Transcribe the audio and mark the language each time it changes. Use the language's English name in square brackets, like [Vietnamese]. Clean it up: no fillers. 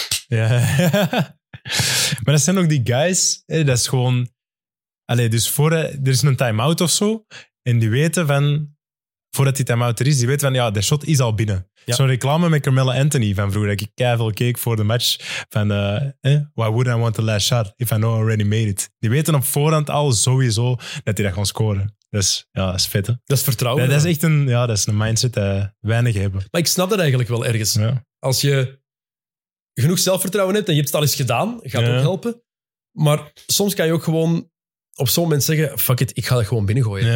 [Dutch] ja. Maar dat zijn ook die guys. Dat is gewoon... Allee, dus er is een time-out of zo. En die weten van... Voordat die time-out er is, die weten van... Ja, de shot is al binnen. Ja. Zo'n reclame met Carmelo Anthony van vroeger. Dat ik keiveel keek voor de match. [English] Van, why would I want the last shot if I know I already made it? [Dutch] Die weten op voorhand al sowieso dat hij dat gaat scoren. Dus ja, dat is vet. Hè? Dat is vertrouwen. Dat is echt een mindset dat weinig hebben. Maar ik snap dat eigenlijk wel ergens. Ja. Als je genoeg zelfvertrouwen hebt en je hebt het al eens gedaan, gaat ook helpen. Maar soms kan je ook gewoon op zo'n moment zeggen, [English] fuck it, [Dutch] ik ga dat gewoon binnengooien.